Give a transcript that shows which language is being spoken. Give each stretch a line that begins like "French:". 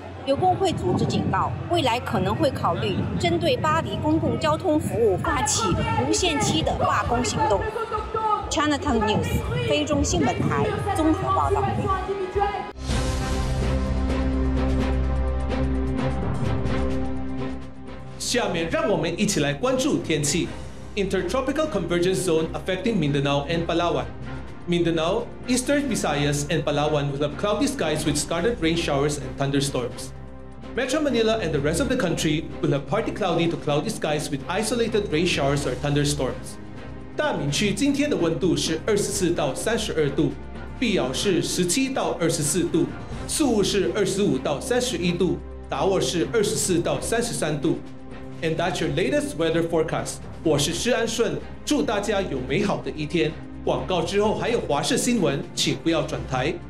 Chinese: 有工会组织警告，未来可能会考虑针对巴黎公共交通服务发起无限期的罢工行动。 Cntv News 菲中新闻台综合报道。下面让我们一起来关注天气。
English: Intertropical Convergence Zone affecting Mindanao and Palawan. Mindanao, Eastern Visayas, and Palawan will have cloudy skies with scattered rain showers and thunderstorms. Metro Manila and the rest of the country will have partly cloudy to cloudy skies with isolated rain showers or thunderstorms.
Chinese: 大明区今天的温度是24到32度，必要是17到24度，宿务是25到31度，达沃是24到33度。
English: And that's your latest weather forecast.
Chinese: 我是施安顺，祝大家有美好的一天。广告之后还有华视新闻，请不要转台。